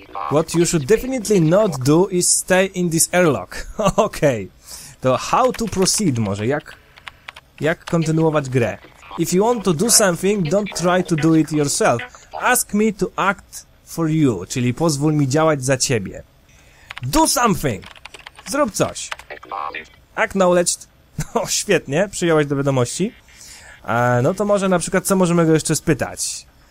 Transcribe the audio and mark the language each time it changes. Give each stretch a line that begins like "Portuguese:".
English: What you should definitely not do is stay in this airlock.
Polish: Okej. Okay. To
English: how to proceed
Polish: może, jak kontynuować grę?
English: If you want to do something, don't try to do it yourself. Ask me to act for you,
Polish: czyli pozwól mi działać za ciebie.
English: Do something!
Polish: Zrób coś.
English: Acknowledged.
Polish: No, świetnie, przyjąłeś do wiadomości. No to może na przykład, co możemy go jeszcze spytać?